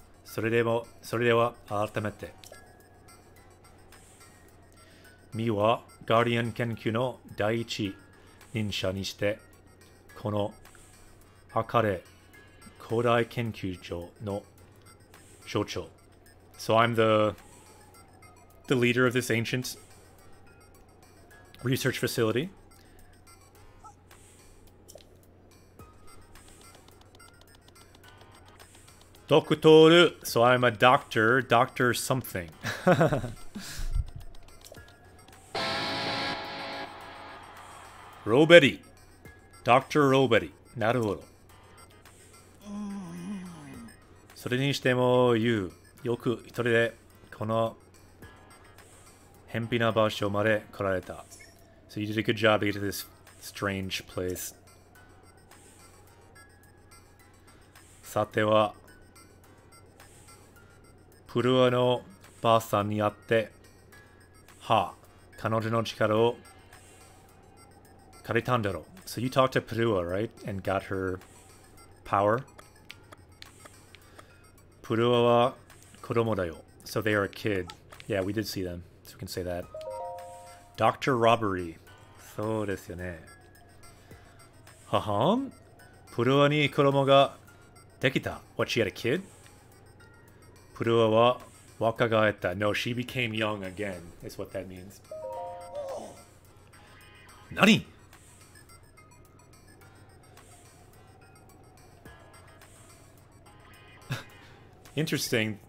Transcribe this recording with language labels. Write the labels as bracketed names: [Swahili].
[Japanese] それでは改めて。ミはガーディアン研究の第一人者にして、このアカレ古代研究所の所長。 [English] So I'm the leader of this ancient research facility. ドクトール So I'm a doctor, doctor something. [Japanese] ローベリー、Dr. ローベリー、なるほど。それにしても、ユー、よく一人でこの偏僻な場所まで来られた。 [English] So you did a good job to get to this strange place. [Japanese] さては、プルアのばあさんに会っては彼女の力を借りたんだろう。 [English] So you talked to Perua, right? And got her power? [Japanese] Perua は子供だよ。 [English] So they are a kid. Yeah, we did see them. So we can say that. Dr. Robbery. [Japanese] そうですよね。ははん? プルワに子供ができた。 [English] What, she had a kid? [Japanese] プルワは若返った。 [English] No, she became young again, is what that means. [Japanese] 何? [English] Interesting.